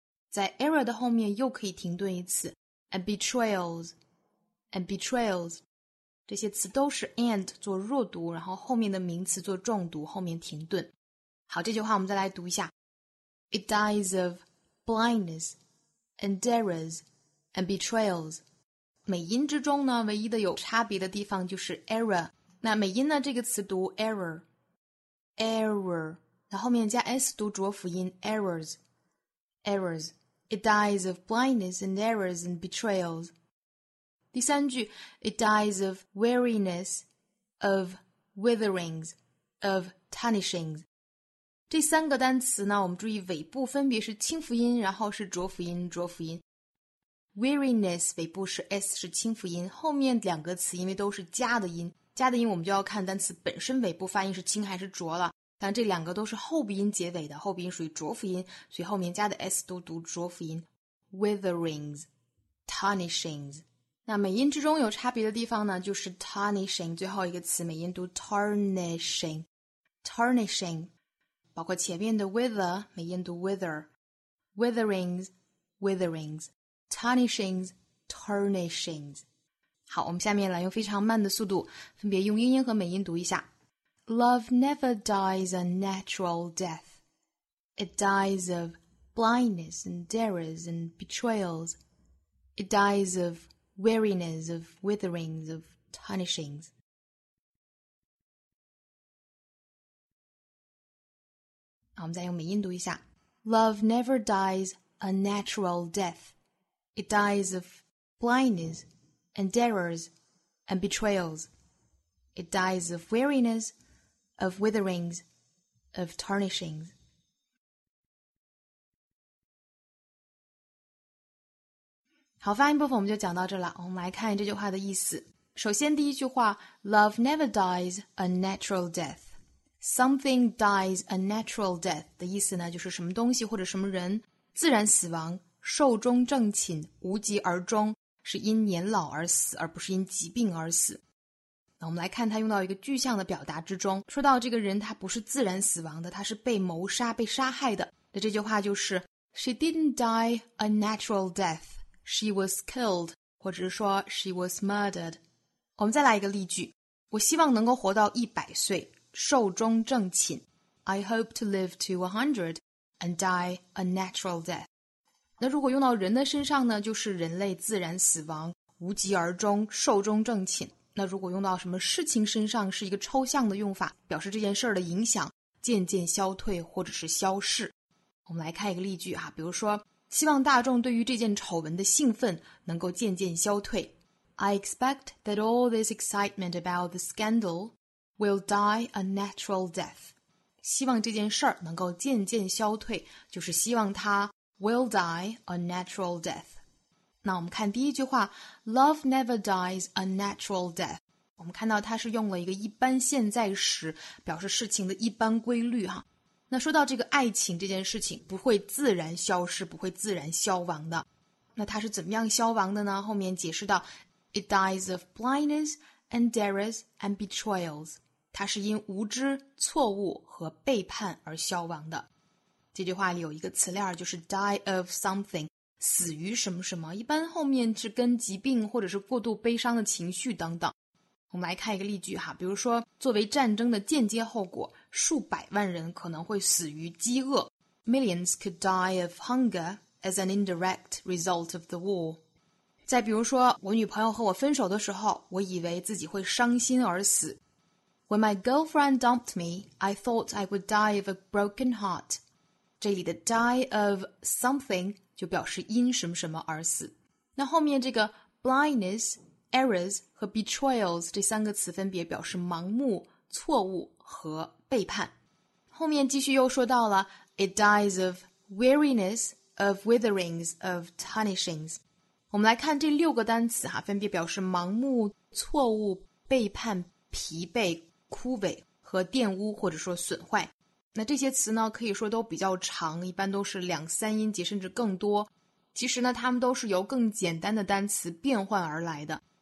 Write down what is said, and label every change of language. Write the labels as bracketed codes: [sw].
[zh] 在 era 的后面又可以停顿一次 and betrayals 这些词都是 and 做弱读然后后面的名词做重读后面停顿好这句话我们再来读一下 [en] it dies of blindness and deras and betrayals [zh] 美音之中呢唯一的有差别的地方就是 era那美音呢这个词读 error 那后面加 s 读浊辅音 errors [en] It dies of blindness and errors and betrayals. [zh] 第三句 [en] It dies of weariness, of witherings, of tarnishings. [zh] 这三个单词呢我们注意尾部分别是清辅音然后是浊辅音浊辅音。 Weariness, 尾部是 S, 是清辅音后面两个词因为都是加的音。加的音我们就要看单词本身尾部发音是清还是浊了。但这两个都是后鼻音结尾的后鼻音属于浊辅音所以后面加的 S 都读浊辅音。 [en] Witherings, tarnishings。 [zh] 那美音之中有差别的地方呢就是 tarnishing, 最后一个词美音读 tarnishing。Tarnishing。包括前面的 wither, 美音读 wither。 [en] Witherings, witherings。 Tarnishings, tarnishings。 [zh] 好我们下面来用非常慢的速度分别用英音和美音读一下。 [en] Love never dies a natural death. It dies of blindness and errors and betrayals. It dies of weariness, of witherings, of tarnishings. Now, [zh] 我们再用美音读一下。 [en] Love never dies a natural death. It dies of blindness and errors and betrayals. It dies of weariness,of witherings, of tarnishings. [zh] 好，发音部分我们就讲到这了。我们来看这句话的意思。首先第一句话 [en] Love never dies a natural death. Something dies a natural death [zh] 的意思呢就是什么东西或者什么人自然死亡寿终正寝无疾而终是因年老而死而不是因疾病而死。那我们来看他用到一个具象的表达之中说到这个人他不是自然死亡的他是被谋杀被杀害的那这句话就是 [en] She didn't die a natural death She was killed 或者说 She was murdered [zh] 我们再来一个例句我希望能够活到100岁寿终正寝 [en] I hope to live to 100 and die a natural death [zh] 那如果用到人的身上呢就是人类自然死亡无疾而终寿终正寝那如果用到什么事情身上是一个抽象的用法表示这件事的影响渐渐消退或者是消逝我们来看一个例句啊，比如说希望大众对于这件丑闻的兴奋能够渐渐消退 [en] I expect that all this excitement about the scandal will die a natural death [zh] 希望这件事能够渐渐消退就是希望它 [en] will die a natural death [zh] 那我们看第一句话 [en] Love never dies a natural death [zh] 我们看到它是用了一个一般现在时表示事情的一般规律哈。那说到这个爱情这件事情不会自然消失不会自然消亡的那它是怎么样消亡的呢后面解释到 [en] It dies of blindness and errors and betrayals [zh] 它是因无知错误和背叛而消亡的这句话里有一个词链就是 die of something死于什么什么一般后面是跟疾病或者是过度悲伤的情绪等等我们来看一个例句哈比如说作为战争的间接后果数百万人可能会死于饥饿 [en] Millions could die of hunger as an indirect result of the war [zh] 再比如说我女朋友和我分手的时候我以为自己会伤心而死 [en] When my girlfriend dumped me I thought I would die of a broken heart [zh] 这里的 die of something就表示因什么什么而死。那后面这个 blindness, errors 和 betrayals 这三个词分别表示盲目、错误和背叛。后面继续又说到了 [en] It dies of weariness, of witherings, of tarnishings. [zh] 我们来看这六个单词哈，分别表示盲目、错误、背叛、疲惫、枯萎和玷污或者说损坏。那这些词呢可以说都比较长一般都是两三音节甚至更多其实呢它们都是由更简单的单词变换而来的